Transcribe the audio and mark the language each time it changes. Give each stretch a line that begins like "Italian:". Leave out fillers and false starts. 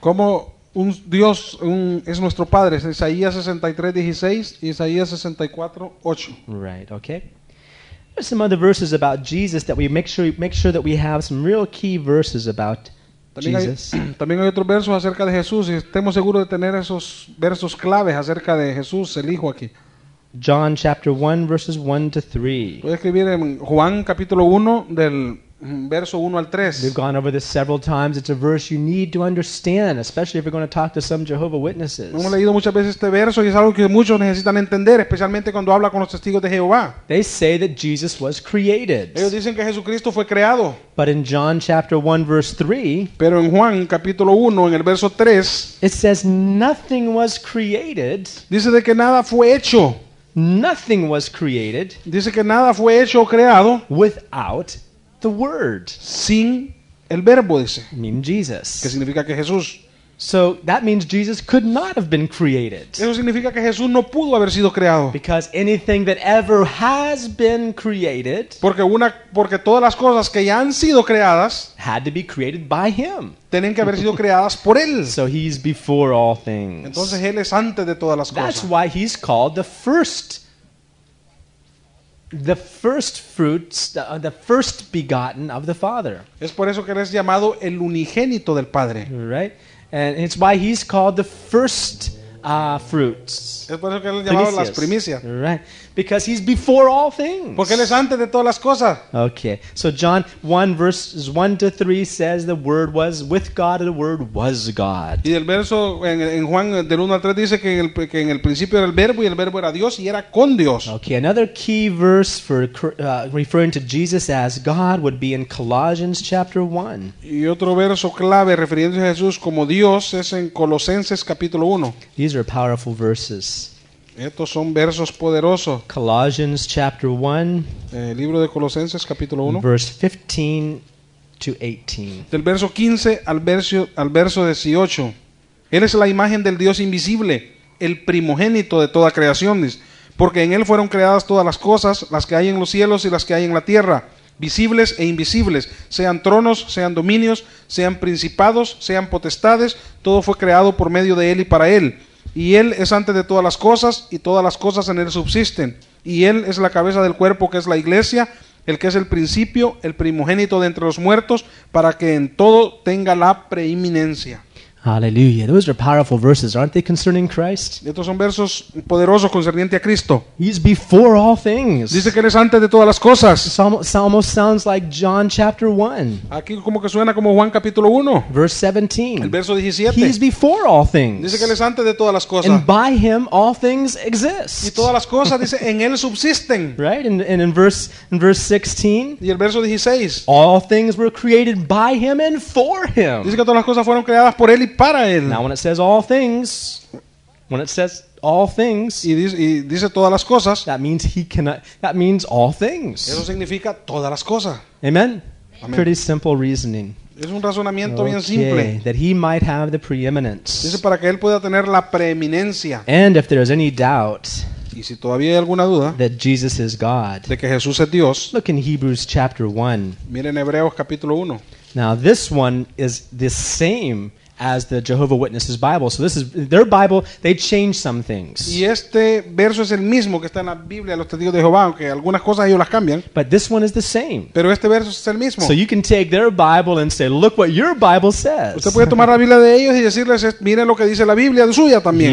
Spanish: Como un Dios es nuestro Padre, Isaías 63:16 y Isaías 64:8.
English: Right, okay. There's some other verses about Jesus that we make sure that we have some real key verses about Jesus.
Spanish: También hay otros versos acerca de Jesús y estemos seguros de tener esos versos claves acerca de Jesús, el Hijo aquí.
English: John chapter 1 verses 1 to 3.
Spanish: Puede escribir en Juan capítulo 1 del verso 1 al 3.
English: We've gone over this several times. It's a verse you need to understand, especially if you're going to talk to some Jehovah's Witnesses.
Spanish: Hemos leído muchas veces este verso y es algo que muchos necesitan entender, especialmente cuando habla con los testigos de Jehová.
English: They say that Jesus was created.
Spanish: Ellos dicen que Jesucristo fue creado.
English: But in John chapter 1 verse 3,
Spanish: pero en Juan capítulo 1 en el verso 3,
English: it says nothing was created.
Spanish: Dice de que nada fue hecho.
English: Nothing was created.
Spanish: Dice que nada fue hecho o creado
English: without the word,
Spanish: sin el verbo, dice,
English: mean Jesus,
Spanish: que significa que Jesús.
English: So that means Jesus could not have been created.
Spanish: Eso significa que Jesús no pudo haber sido creado.
English: Because anything that ever has been created,
Spanish: porque todas las cosas que ya han sido creadas,
English: had to be created by him.
Spanish: Tienen que haber sido creadas por él.
English: So he's before all things.
Spanish: Entonces él es antes de todas las cosas.
English: That's why he's called the first. The first fruits, the first begotten of the Father.
Spanish: Es por eso que eres llamado el unigénito del Padre.
English: Right? And it's why he's called the first fruits.
Spanish: Es por eso que él es llamado las primicias.
English: Right. Because he's before all things.
Spanish: Porque él es antes de todas las cosas.
English: Okay. So John 1 verses 1 to 3 says the word was with God and the word was God.
Spanish: Y el verso en Juan del 1 al 3 dice que en el principio era el verbo era Dios y era con Dios.
English: Okay, another key verse for referring to Jesus as God would be in Colossians chapter 1.
Spanish: Y otro verso clave refiriéndose a Jesús como Dios es en Colosenses capítulo 1.
English: These are powerful verses.
Spanish: Estos son versos poderosos.
English: Colossians chapter 1.
Spanish: El libro de Colosenses capítulo 1.
English: Verse 15 to 18.
Spanish: Del verso 15 al verso 18. Él es la imagen del Dios invisible, el primogénito de toda creación, porque en él fueron creadas todas las cosas, las que hay en los cielos y las que hay en la tierra, visibles e invisibles, sean tronos, sean dominios, sean principados, sean potestades, todo fue creado por medio de él y para él. Y él es antes de todas las cosas, y todas las cosas en él subsisten. Y él es la cabeza del cuerpo, que es la iglesia, el que es el principio, el primogénito de entre los muertos, para que en todo tenga la preeminencia. Aleluya.
English: Those are powerful verses, aren't they, concerning Christ?
Spanish: Estos son versos poderosos concerniente a Cristo.
English: He's before all things.
Spanish: Dice que él es antes de todas las cosas.
English: It almost sounds like John chapter 1.
Spanish: Aquí como que suena como Juan capítulo 1.
English: Verse 17.
Spanish: El verso 17.
English: He's before all things.
Spanish: Dice que él es antes de todas las cosas.
English: And by him all things exist.
Spanish: Y todas las cosas, dice, en él subsisten.
English: Right? And in verse 16.
Spanish: Y el verso 16.
English: All things were created by him and for him.
Spanish: Dice que todas las cosas fueron creadas por él. Para él.
English: Now, when it says all things,
Spanish: y dice todas las cosas,
English: that means all things.
Spanish: Eso significa todas las cosas.
English: Amen. Pretty simple reasoning.
Spanish: Es un razonamiento
English: okay.
Spanish: Bien simple.
English: That he might have the preeminence.
Spanish: Dice para que él pueda tener la preeminencia.
English: And if there's any doubt,
Spanish: y si todavía hay alguna duda,
English: that Jesus is God,
Spanish: de que Jesús es Dios,
English: look in Hebrews chapter 1.
Spanish: Miren Hebreos capítulo 1.
English: Now this one is the same as the Jehovah Witnesses Bible. So this is their Bible, they changed some things.
Spanish: Y este verso es el mismo que está en la Biblia de los testigos de Jehová, aunque algunas cosas ellos las cambian.
English: But this one is the same.
Spanish: Pero este verso es el mismo.
English: So you can take their Bible and say, look what your Bible says.
Spanish: Usted puede tomar la Biblia de ellos y decirles, miren lo que dice la Biblia suya también.